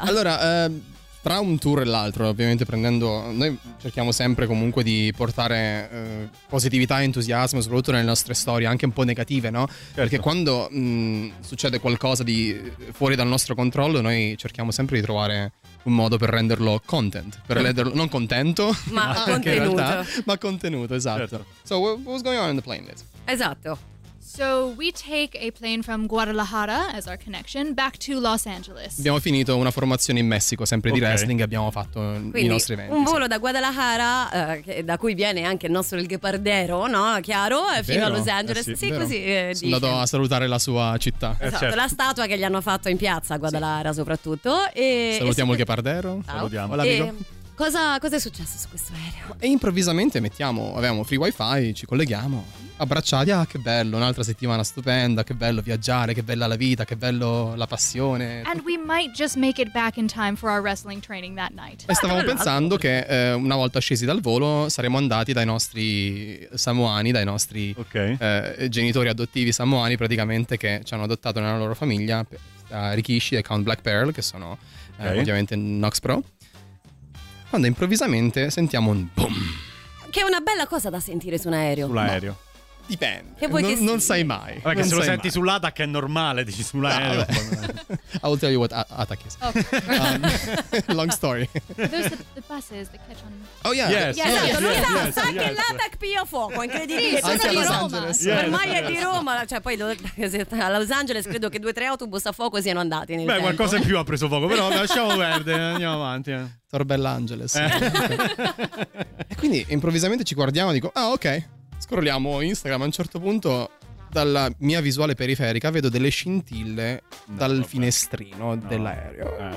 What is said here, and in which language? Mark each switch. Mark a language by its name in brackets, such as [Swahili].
[Italian] Allora, tra un tour e l'altro, ovviamente prendendo, noi cerchiamo sempre comunque di portare positività e entusiasmo, soprattutto nelle nostre storie, anche un po' negative, no? Certo. Perché quando succede qualcosa di fuori dal nostro controllo, noi cerchiamo sempre di trovare un modo per renderlo content, per renderlo non contento, ma contenuto. In realtà, ma contenuto, esatto. Certo. [English] So, what's going on in the plane, Liz? [Italian] Esatto. [English] So we take a plane from Guadalajara as our connection back to Los Angeles. [Italian] Abbiamo finito una formazione in Messico, sempre di wrestling, abbiamo fatto quindi i nostri eventi. Un volo da Guadalajara, da cui viene anche il nostro El Gepardero, no? Chiaro, fino a Los Angeles. Sì, così dice. Sono andato a salutare la sua città. Esatto, certo. La statua che gli hanno fatto in piazza a Guadalajara, sì, soprattutto. E salutiamo il Gepardero. Salutiamo. [Spanish] Hola, amigo. [Italian] Cosa è successo su questo aereo? E improvvisamente avevamo free wifi, ci colleghiamo, abbracciati, ah che bello, un'altra settimana stupenda, che bello viaggiare, che bella la vita, che bello la passione. [English] And we might just make it back in time for our wrestling training that night. [Italian] E stavamo pensando che una volta scesi dal volo saremmo andati dai nostri samoani, dai nostri genitori adottivi samoani, praticamente, che ci hanno adottato nella loro famiglia, Rikishi e Count Black Pearl, che sono ovviamente Nox Pro. Quando improvvisamente sentiamo un boom. Che è una bella cosa da sentire su un aereo. Sull'aereo. No. Dipende. Non sai mai. Vabbè, che se lo senti sull'ATAC è normale, dici sull'aereo. [English] No, I will tell you what ATAC is. Okay. long story. Those are the buses that catch on. Oh, yeah. Yes. [Italian] Esatto, lui sa che l'ATAC piglia fuoco, incredibile. Sì, sono di Los Angeles. Yes. Ormai è di Roma. Cioè, poi a Los Angeles credo che 2-3 autobus a fuoco siano andati nel Beh, tempo. Qualcosa in più ha preso fuoco, però lasciamo perdere, andiamo avanti. Tor Bell'Angeles. E quindi improvvisamente ci guardiamo e dico, ah ok, scrolliamo Instagram. A un certo punto, dalla mia visuale periferica, vedo delle scintille finestrino dell'aereo.